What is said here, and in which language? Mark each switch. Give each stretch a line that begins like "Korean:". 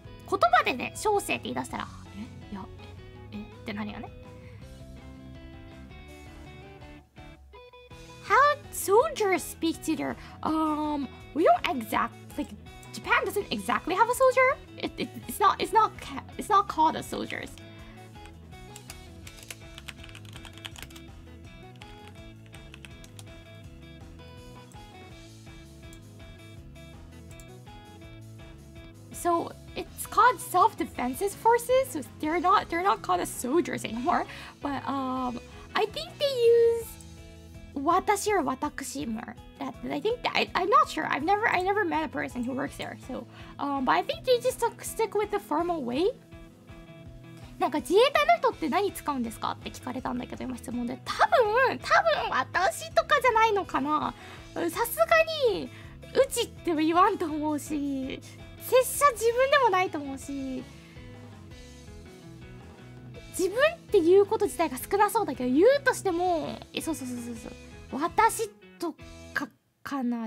Japanese: 言葉でね、小生って言い出したら、ってなるよね。
English: How soldiers speak to their, we don't exact, like, Japan doesn't exactly have a soldier. It's not called a soldiers. So,It's called self-defense forces, so they're not called as soldiers anymore. But I think they use watashi or watakushi more. I never met a person who works there. So, but I think they just stick with the formal way.
Japanese: なんか自衛隊の人って何使うんですかって聞かれたんだけど、今質問で多分私とかじゃないのかな。さすがにうちって言わんと思うし。拙者自分でもないと思うし、自分っていうこと自体が少なそうだけど、言うとしてもそう私とかかな。